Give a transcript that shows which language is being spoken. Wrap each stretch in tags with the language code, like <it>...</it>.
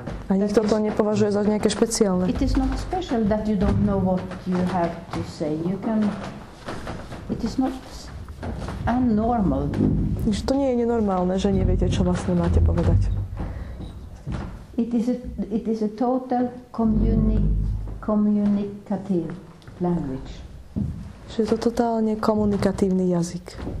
<sk>A nikto to nepovažuje za nejaké špeciálne.</sk> <en>It is not special that you don't know what you have to say. You can, it is not abnormal.</en> <sk>Čiže to nie je nenormálne, že neviete, čo vlastne máte povedať.</sk> <en>It is a total communicative language.</en> <sk>Čiže je to totálne komunikatívny jazyk.</sk>